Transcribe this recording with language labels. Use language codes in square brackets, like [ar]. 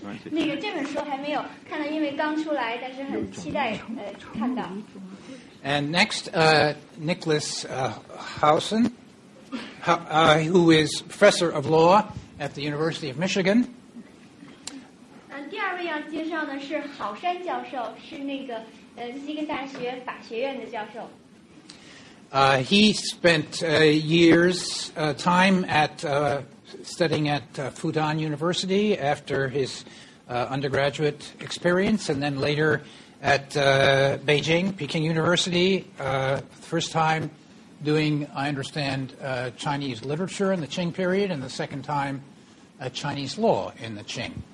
[zh] 那个这本书还没有看到，因为刚出来，但是很期待看到。And [en] next, Nicholas Hausen, who is professor of law at the University of Michigan. [zh] 第二位要介绍的是郝山教授，是那个西根大学法学院的教授。 [en] He spent years time at studying at Fudan University after his undergraduate experience, and then later at Peking University, first time doing, I understand, Chinese literature in the Qing period, and the second time Chinese law in the Qing.